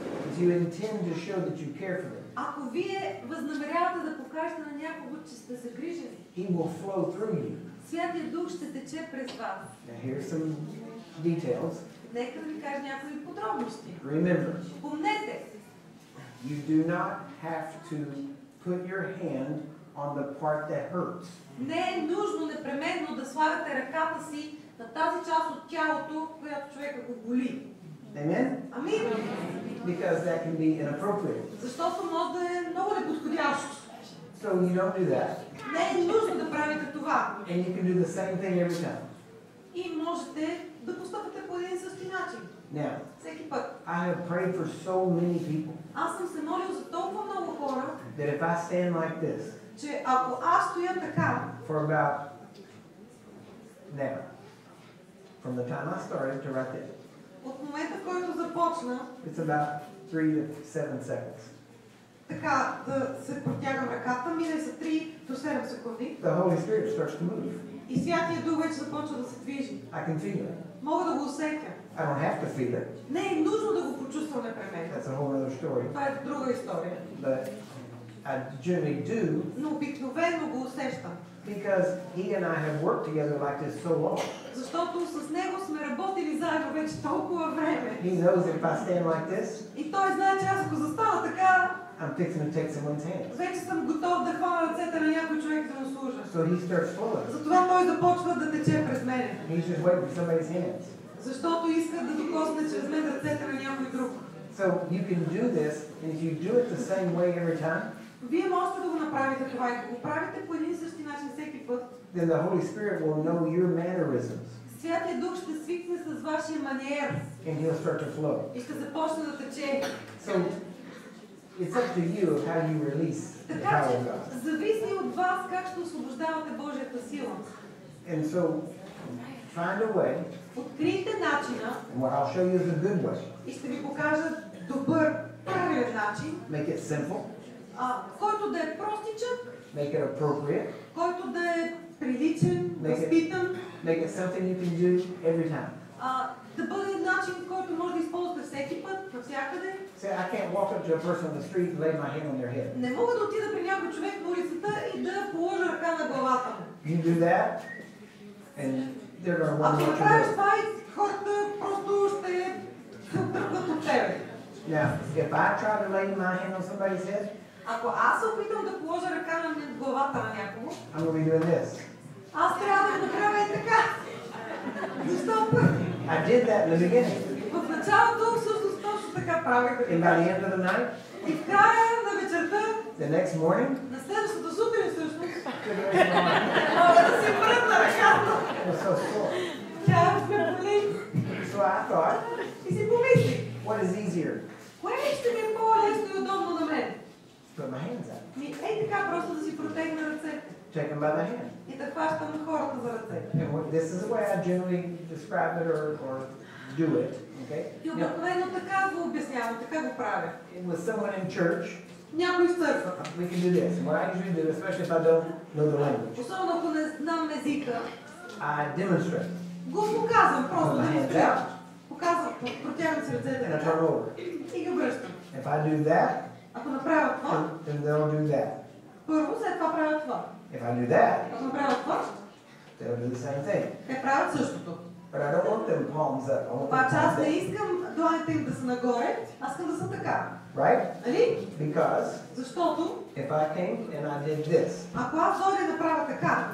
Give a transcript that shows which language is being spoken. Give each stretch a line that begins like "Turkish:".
English: If you intend to show that you care for them,
Bulgarian: ако вие възнамерявате да покажете на някого, че сте загрижени,
English: He will flow through you.
Bulgarian: Святият Дух ще тече през вас.
English: Now here's some details.
Bulgarian: Нека да ви кажа някои подробности.
English: Remember.
Bulgarian: Помнете.
English: You do not have to put your hand on the part that hurts.
Bulgarian: Не е нужно непременно да слагате ръката си на тази част от тялото, която човека го боли.
English: Amen?
Bulgarian: Амин.
English: Because that can be inappropriate.
Bulgarian: Защото може да е много неподходящо.
English: So you don't do that.
Bulgarian: Не е нужно да правите това.
English: And you can do the same thing every time.
Bulgarian: и можете да постъпвате по един същи начин.
English: Now,
Bulgarian: всеки път.
English: I have prayed for so many people.
Bulgarian: Аз съм се молил за толкова много хора.
English: That if I stand like this.
Bulgarian: Че ако аз стоя така.
English: For about now, from the time I started to write it.
Bulgarian: От момента, който започна.
English: It's about 3 to 7 seconds.
Bulgarian: Така да се протягам ръката, мине за 3 до 7 секунди.
English: The Holy Spirit starts to move.
Bulgarian: И Святия Дух вече започва да се движи.
English: I can feel it.
Bulgarian: Мога да го усетя.
English: I don't have to feel it.
Bulgarian: Не е нужно да го почувствам непременно.
English: That's a whole other story.
Bulgarian: Това е друга история.
English: But I generally do.
Bulgarian: Но обикновено го усещам.
English: Because he and I have worked together like this so long.
Bulgarian: Защото с него сме работили заедно вече толкова време.
English: He knows if I stand like this.
Bulgarian: И той знае, че аз ако застана така.
English: I'm fixing to take someone's hand.
Bulgarian: Вече съм готов да хвана ръцете на някой човек да му служа.
English: So he starts following.
Bulgarian: Затова той започва да тече през мене.
English: He's just waiting for somebody's hands.
Bulgarian: Защото иска да докосне чрез мен ръцете на някой друг.
English: So you can do this, and if you do it the same way every time.
Bulgarian: Вие можете да го направите това и да го правите по един и същи начин всеки път.
English: Then the Holy Spirit will know your mannerisms.
Bulgarian: Святият Дух ще свикне с вашия маниер.
English: And he'll start to flow.
Bulgarian: И ще започне да тече.
English: So it's up to you how you release the power of God.
Bulgarian: Зависи от вас как ще освобождавате Божията сила.
English: And so find a way.
Bulgarian: Открийте начина.
English: And what I'll show you is a good way.
Bulgarian: И ще ви покажа добър, правилен начин.
English: Make it simple.
Bulgarian: Който да е простичък.
English: Make it appropriate.
Bulgarian: Който да е приличен, възпитан.
English: Make it something you can do every time.
Bulgarian: Да бъде начин, който може да използвате всеки път, навсякъде.
English: Say, I can't walk up to a person on the street and lay my hand on their head.
Bulgarian: Не мога да отида при някой човек по улицата и да положа ръка на главата му.
English: You can do that, and they're going to want to watch your head.
Bulgarian: Ако направиш това, хората просто ще се отръкват от тебе.
English: Now, if I try to lay my hand on somebody's head,
Bulgarian: ако аз се опитам да положа ръка на главата на някого,
English: I'm gonna be doing this.
Bulgarian: Аз трябва да направя и така. Защо?
English: I did that in the beginning.
Bulgarian: В началото всъщност точно така правих.
English: And by the end of the night?
Bulgarian: И в края на вечерта.
English: The next morning?
Bulgarian: На следващото сутрин всъщност. Мога да си пръдна ръката.
English: It was so sore.
Bulgarian: Тя е вкърпли.
English: So I thought.
Bulgarian: И си помисли.
English: What is easier?
Bulgarian: Кое ще ми е по-лесно и удобно на мен?
English: Put my hands up.
Bulgarian: Ей така, просто да си протегна ръцете.
English: Check them by the hand.
Bulgarian: И да хващам хората за ръцете.
English: And what, this is the way I generally describe it or do it. Okay?
Bulgarian: И обикновено така го обяснявам, така го правя.
English: With someone in church,
Bulgarian: някой в църквата.
English: We can do this. What I usually do, especially if I don't know the language.
Bulgarian: Особено ако не знам езика.
English: I demonstrate.
Bulgarian: Го показвам, просто демонстрирам. Показвам, протягам си ръцете.
English: And I turn over.
Bulgarian: И ги връщам.
English: If I do that,
Bulgarian: ако направя това,
English: then they'll do that.
Bulgarian: Първо, след това правя това.
English: If I do that,
Bulgarian: ако направя това,
English: they'll do the same thing.
Bulgarian: Те правят същото.
English: But I don't want them palms up.
Bulgarian: Обаче аз не искам дланите им да са нагоре, аз искам да са така.
English: Right?
Bulgarian: Нали?
English: Because,
Bulgarian: защото,
English: if I came and I did this,
Bulgarian: ако аз дойде да правя така,